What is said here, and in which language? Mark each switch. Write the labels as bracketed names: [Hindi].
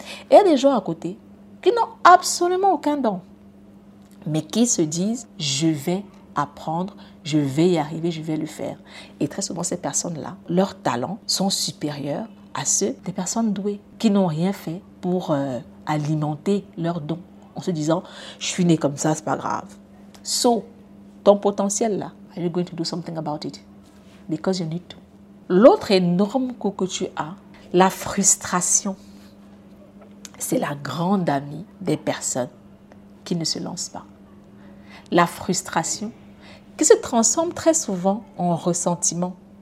[French] Et il y a des gens à côté qui n'ont absolument aucun don, mais qui se disent, je vais apprendre, je vais y arriver, je vais le faire. Et très souvent, ces personnes-là, leurs talents sont supérieurs à ceux des personnes douées, qui n'ont rien fait pour alimenter leurs dons en se disant, je suis né comme ça, c'est pas grave. [English] So, [French] ton potentiel là, [English] are you going to do something about it? Because you need to. [French] L'autre énorme coup que tu as, la frustration, c'est la grande amie des personnes qui ne se lancent pas. La frustration qui se transforme très souvent en ressentiment.